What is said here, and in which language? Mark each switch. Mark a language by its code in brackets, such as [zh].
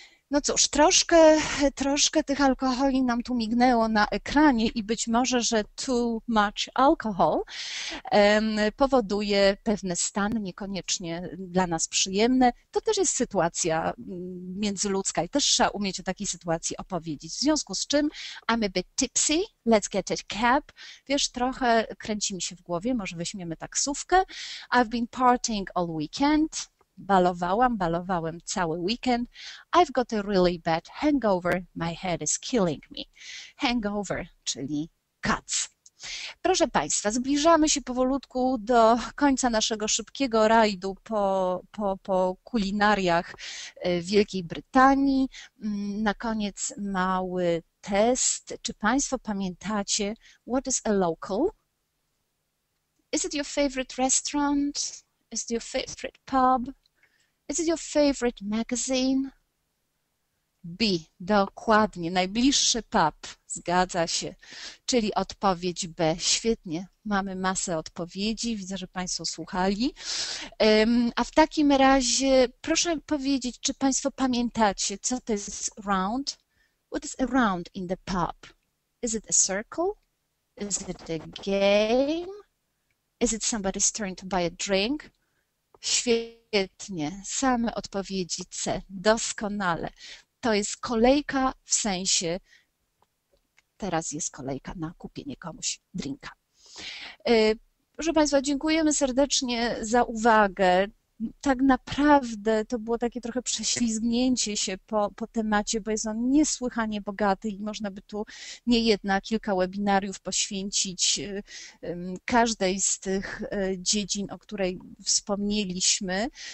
[pl] No cóż, troszkę tych alkoholi nam tu mignęło na ekranie i być może, że [en] too much alcohol [pl] powoduje pewne stany niekoniecznie dla nas przyjemne. To też jest sytuacja międzyludzka i też trzeba umieć o takiej sytuacji opowiedzieć. W związku z czym [en] I'm a bit tipsy, let's get a cab. [pl] Wiesz, trochę kręci mi się w głowie, może weźmiemy taksówkę. [en] I've been partying all weekend. [pl] Balowałem cały weekend. [en] I've got a really bad hangover. My head is killing me. Hangover, [pl] czyli kac. Proszę Państwa, zbliżamy się powolutku do końca naszego szybkiego rajdu po kulinariach Wielkiej Brytanii. Na koniec mały test. Czy Państwo pamiętacie, [en] what is a local? Is it your favorite restaurant? Is it your favorite pub? Is it your favorite magazine? [pl] B, dokładnie, najbliższy pub, zgadza się, czyli odpowiedź B, świetnie, mamy masę odpowiedzi, widzę, że Państwo słuchali. A w takim razie proszę powiedzieć, czy Państwo pamiętacie, co to jest round? [en] What is a round in the pub? Is it a circle? Is it a game? Is it somebody's turn to buy a drink? [pl] Świetnie, same odpowiedzi C, doskonale. To jest kolejka w sensie, teraz jest kolejka na kupienie komuś drinka. Proszę Państwa, dziękujemy serdecznie za uwagę. Tak naprawdę to było takie trochę prześlizgnięcie się po temacie, bo jest on niesłychanie bogaty i można by tu nie jedna, kilka webinariów poświęcić każdej z tych dziedzin, o której wspomnieliśmy.